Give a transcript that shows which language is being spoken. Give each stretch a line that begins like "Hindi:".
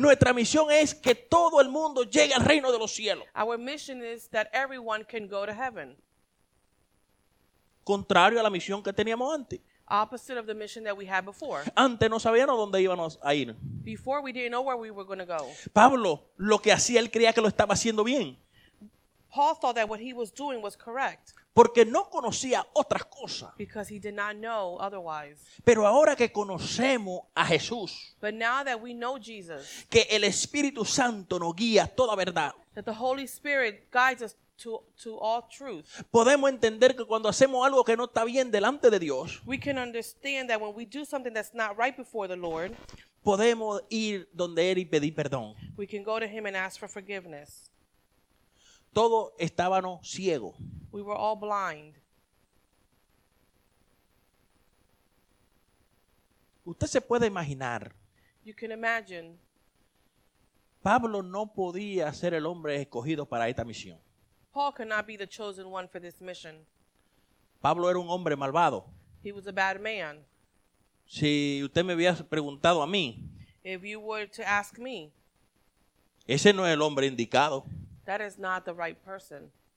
Spanish: Nuestra misión es que todo el mundo llegue al reino de los cielos.
English: Our mission is that everyone can go to heaven.
Spanish: Contrario a la misión que teníamos antes.
English: Opposite of the mission that we had before.
Spanish: Antes no sabíamos dónde íbamos a ir.
English: Before we didn't know where we were going to go.
Spanish: Pablo, lo que hacía, él creía que lo estaba haciendo bien.
English: Paul thought that what he was doing was correct.
Spanish: Porque no conocía otras cosas.
English: Because he did not know otherwise.
Spanish: Pero ahora que conocemos a Jesús.
English: But now that we know Jesus.
Spanish: Que el Espíritu Santo nos guía toda verdad.
English: That the Holy Spirit guides us to all truth.
Spanish: Podemos entender que cuando hacemos algo que no está bien delante de Dios,
English: we can understand that when we do something that's not right before the Lord,
Spanish: podemos ir donde él y pedir perdón.
English: We can go to him and ask for forgiveness.
Spanish: Todos estábamos ciegos.
English: We were all blind.
Spanish: Usted se puede imaginar.
English: You can imagine.
Spanish: Pablo no podía ser el hombre escogido para esta misión.
English: Paul could not be the chosen one for this mission.
Spanish: Pablo era un hombre malvado.
English: He was a bad man.
Spanish: Si usted me hubiera preguntado a mí,
English: if you were to ask me,
Spanish: ese no es el hombre indicado.
English: That is not the right person.